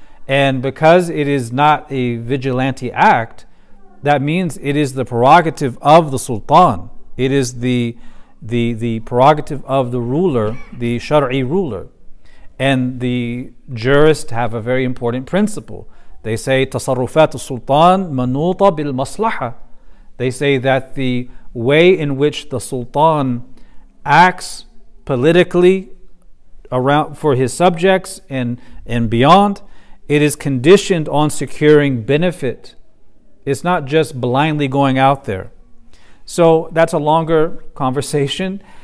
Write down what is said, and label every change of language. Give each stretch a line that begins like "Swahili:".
English: And because it is not a vigilante act, that means it is the prerogative of the sultan. It is the prerogative of the ruler, the shar'i ruler. And the jurists have a very important principle. They say
Arabic: تصرفات السلطان منوطة بالمصلحة.
English: They say that the way in which the sultan acts politically around for his subjects and beyond, it is conditioned on securing benefit. It's not just blindly going out there. So that's a longer conversation.